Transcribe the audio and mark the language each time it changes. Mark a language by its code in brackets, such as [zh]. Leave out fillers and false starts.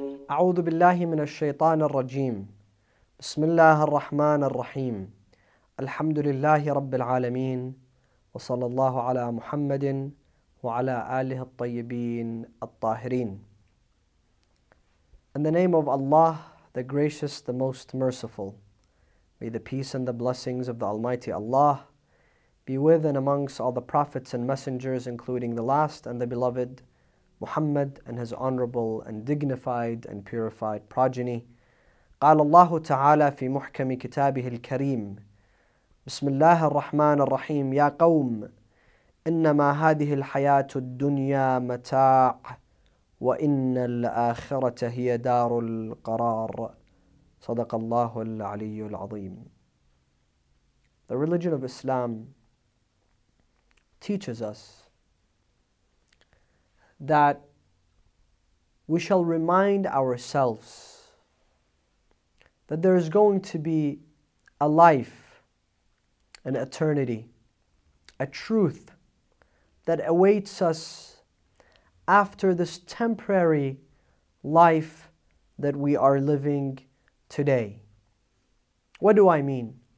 [ar] أعوذ بالله من الشيطان الرجيم بسم الله الرحمن الرحيم الحمد لله رب العالمين وصلى الله على محمد وعلى آله الطيبين الطاهرين. [en] In the name of Allah, the gracious, the most merciful, may the peace and the blessings of the Almighty Allah be with and amongst all the prophets and messengers, including the last and the beloved Muhammad and his honorable and dignified and purified progeny. [ar] قال الله تعالى في محكم كتابه الكريم بسم الله الرحمن الرحيم يا قوم إنما هذه الحياة الدنيا متاع وإن الآخرة هي دار القرار صدق الله العلي العظيم. [en] The religion of Islam teaches us that we shall remind ourselves that there is going to be a life, an eternity, a truth that awaits us after this temporary life that we are living today. What do I mean?